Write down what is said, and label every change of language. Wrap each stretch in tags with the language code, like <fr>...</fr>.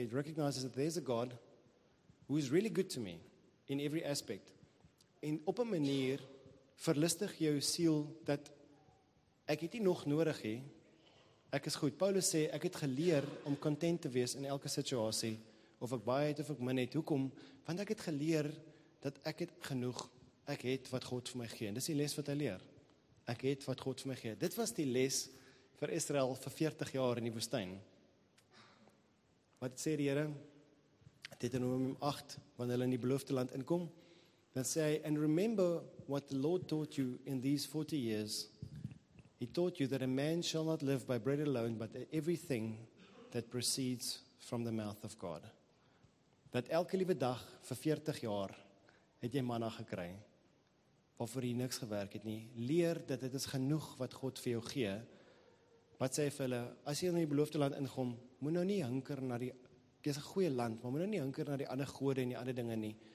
<en>It recognizes that there's a God who is really good to me in every aspect.</en> <af>En op 'n manier verlustig jou siel dat ek het nie nog nodig hê. Ek is goed. Paulus sê ek het geleer om content te wees in elke situasie, of ek baie het of ek min het. Hoekom? Want ek het geleer dat ek het genoeg. Ek het wat God vir my gee. En dis die les wat hy leer. Ek het wat God vir my gee. Dit was die les vir Israel vir 40 jaar in die woestyn. Wat sê die Here? Deuteronomium 8, wanneer hulle in die beloofde land inkom, dan sê hy,</af> <en>and remember what the Lord taught you in these 40 years. He taught you that a man shall not live by bread alone, but everything that proceeds from the mouth of God.</en> <af>Dat elke liewe dag vir 40 jaar het jy manna gekry, waarvoor jy niks gewerk het nie. Leer dat dit is genoeg wat God vir jou gee. Wat sê vir hulle, as jy in die beloofde land ingom, moet nou nie hinker na die, dit is 'n goeie land, maar moet nou nie hinker na die ander gode en die ander dinge nie.</af>